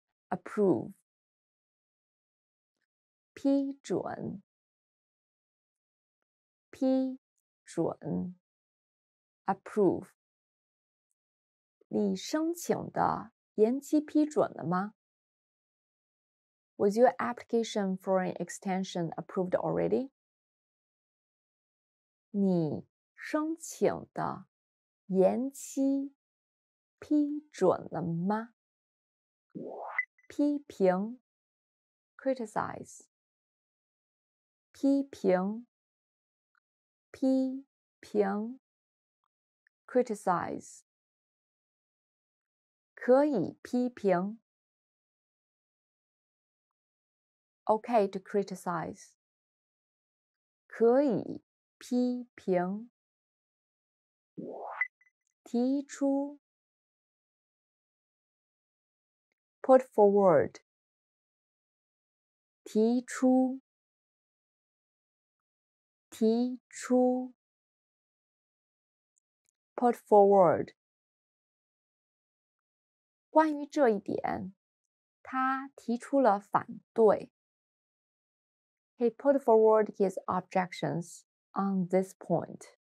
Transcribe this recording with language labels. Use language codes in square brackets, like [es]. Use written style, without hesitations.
[en] ，approve。 [zh] 批准，批准 [en] ，approve。 [zh] 你申请的延期批准了吗 [en] ？Was your application for an extension approved already？ [zh] 你申请的延期批准了吗？批评 [en] ，criticize。 [zh] 批评，批评 [en] ，criticize， [zh] 可以批评 [en] ，okay to criticize， [zh] 可以批评，提出 [en] ，put forward， [zh] 提出。提出 [en] ，put forward。 [zh] 关于这一点，他提出了反对。 [en] He put forward his objections on this point。